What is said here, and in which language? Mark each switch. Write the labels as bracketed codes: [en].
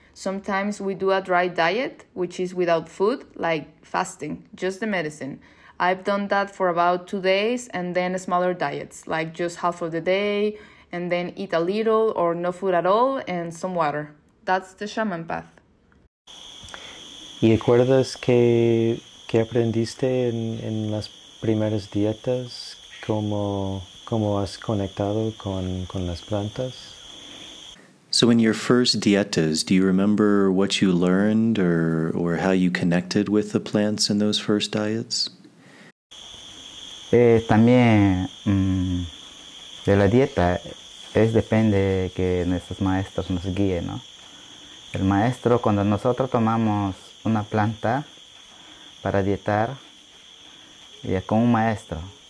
[en] Sometimes we do a dry diet, which is without food, like fasting, just the medicine. I've done that for about 2 days, and then smaller diets, like just half of the day, and then eat a little or no food at all and some water. That's the shaman path. [es] ¿Y acuerdas que aprendiste en las primeras dietas, cómo has conectado con las plantas? [en] So in your first dietas, do you remember what you learned or how you connected with the plants in those first diets? [es] También de la dieta es depende que nuestros maestros nos guíen, ¿no? El maestro, cuando nosotros tomamos una planta para dietar, y es con un maestro.